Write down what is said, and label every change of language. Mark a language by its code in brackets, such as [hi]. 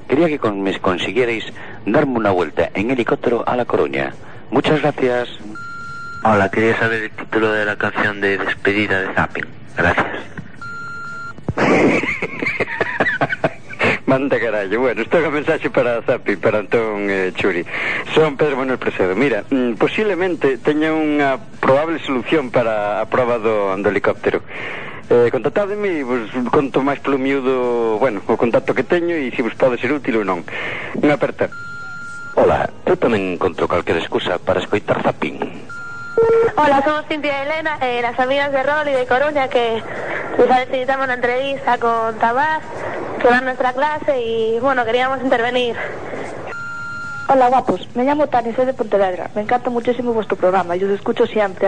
[es] Quería que me consiguierais darme una vuelta en helicóptero a La Coruña. Muchas gracias. Hola, quería saber el título de la canción de despedida de Zapping. Gracias. [gl] Manda carallo. [es] Bueno, esto es un mensaje para Zapping, para Antón Churi. [gl] Son Pedro Manuel Precedo. Mira, posiblemente teña unha probable solución para a prova do helicóptero. Contactademe e vos conto máis polo miúdo, bueno, o contacto que teño e se vos pode ser útil ou non. Unha aperta. Hola, eu tamén encontro calquera excusa para escoitar Zapping. [es] Hola, somos Cintia y Elena, las amigas de Rol y de Coruña, que les necesitamos una entrevista con Tabás, que va a nuestra clase y, bueno, queríamos intervenir. Hola, guapos, me llamo Tania, soy de Pontevedra. Me encanta muchísimo vuestro programa y os escucho siempre.